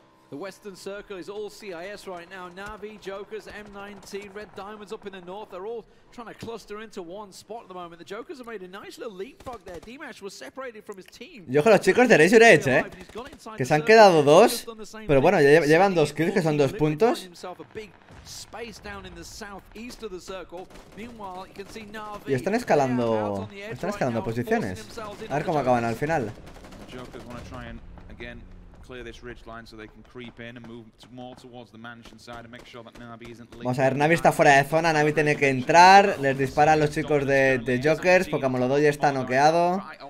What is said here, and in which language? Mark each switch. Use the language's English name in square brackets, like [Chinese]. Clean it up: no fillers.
[English] The Western Circle is all CIS right now. Na'Vi, Jokers, M19, Red Diamonds up in the north. They're all trying to cluster into one spot at the moment. The Jokers have made a nice little leapfrog there. Dimash was separated from his team. [Spanish] Y ojo, los chicos de Razor Edge, que se han quedado dos. Pero bueno, ya llevan dos kills, que son dos puntos. Y están escalando posiciones. A ver cómo acaban al final. [English] Jokers want to try and again clear this ridge line so they can creep in and move more towards the mansion side and make sure that Na'Vi isn't leaving. [Spanish] Vamos a ver, Na'Vi está fuera de zona. Na'Vi tiene que entrar. Les disparan los chicos de Jokers porque Molodoy está noqueado.